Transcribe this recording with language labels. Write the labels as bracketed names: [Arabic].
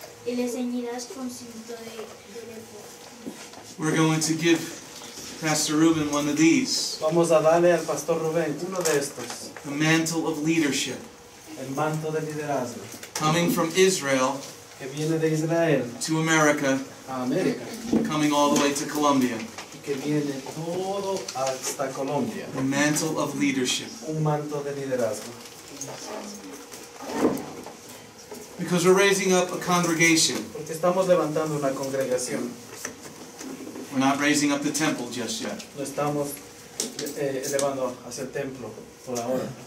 [Spanish] Y le ceñirás con cinto de ephod. [English] We're going to give Pastor Reuben one of these. [Spanish] Vamos a darle al Pastor Reuben uno de estos. [English] The mantle of leadership. [Spanish] El manto de liderazgo. [English] coming from Israel, [Spanish] que viene de Israel [English] to America, [Spanish] a América, [English] coming all the way to Colombia. [Spanish] Que viene todo hasta Colombia. [English] A mantle of leadership. [Spanish] Un manto de liderazgo. [English] Because we're raising up a congregation. [Spanish] Porque estamos levantando una congregación. [English] We're not raising up the temple just yet. [Spanish] No estamos elevando hacia el templo por ahora.